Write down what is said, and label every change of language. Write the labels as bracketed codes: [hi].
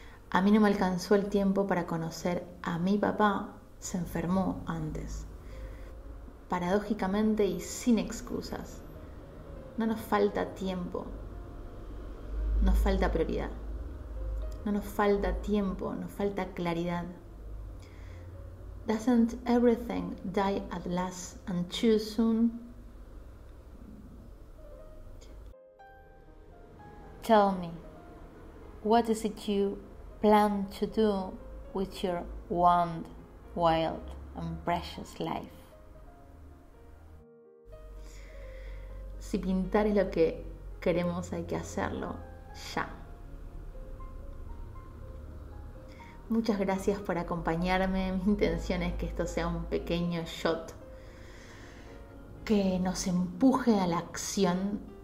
[es] A mí no me alcanzó el tiempo para conocer a mi papá, se enfermó antes. Paradójicamente y sin excusas, no nos falta tiempo, nos falta prioridad. No nos falta tiempo, nos falta claridad. [en] Doesn't everything die at last and too soon? Tell me, what is it you plan to do with your one wild and precious life? [es] Si pintar es lo que queremos, hay que hacerlo ya. Muchas gracias por acompañarme. Mi intención es que esto sea un pequeño shot que nos empuje a la acción.